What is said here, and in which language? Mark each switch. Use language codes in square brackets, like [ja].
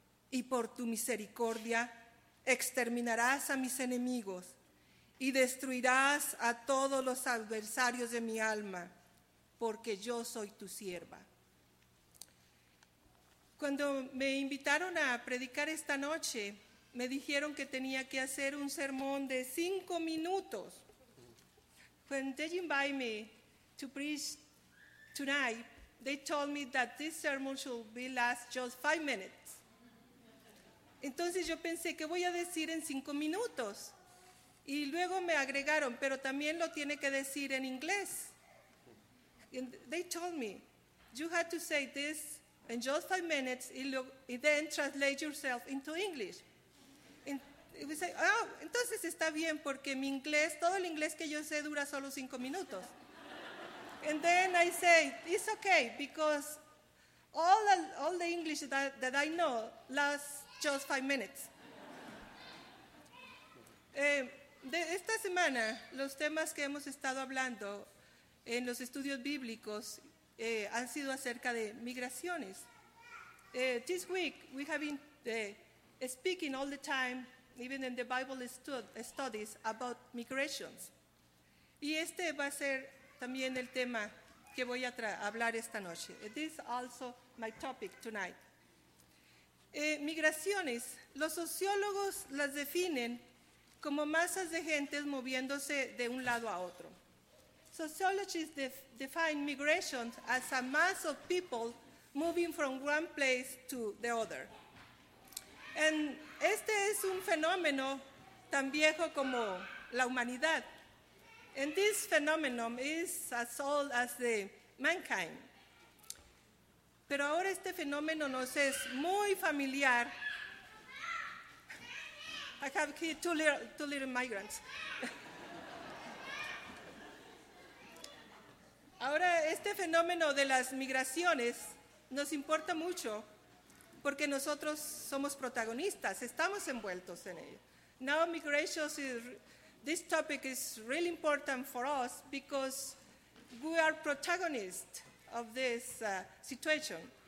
[es] Y por tu misericordia exterminarás a mis enemigos y destruirás a todos los adversarios de mi alma, porque yo soy tu sierva. Cuando me invitaron a predicar esta noche, me dijeron que tenía que hacer un sermón de 5 minutos. [en] When they invited me to preach tonight, they told me that this sermon should be last just 5 minutes. [es] Entonces yo pensé, ¿qué voy a decir en 5 minutos? Y luego me agregaron, pero también lo tiene que decir en inglés. [en] And they told me, you have to say this in just 5 minutes and then translate yourself into English. And [es] Y dice, oh, entonces está bien porque mi inglés, todo el inglés que yo sé dura solo 5 minutos. [en] And then I say, it's okay because all the English that I know lasts just 5 minutes. [es] De esta semana, los temas que hemos estado hablando en los estudios bíblicos han sido acerca de migraciones. [en] This week, we have been speaking all the time, even in the Bible studies, about migrations. [es] Y este va a ser también el tema que voy a hablar esta noche. [en] This is also my topic tonight. [es] Migraciones, los sociólogos las definen como masas de gentes moviéndose de un lado a otro. [en] Sociologists define migration as a mass of people moving from one place to the other. [es] And este es un fenómeno tan viejo como la humanidad. [en] And this phenomenon is as old as the mankind. [es] Pero ahora este fenómeno nos es muy familiar. [en] I have here two little migrants. [es] Ahora, este fenómeno de las migraciones nos importa mucho porque nosotros somos protagonistas, estamos envueltos en ello. [en] Now migrations, this topic is really important for us because we are protagonists of this situation.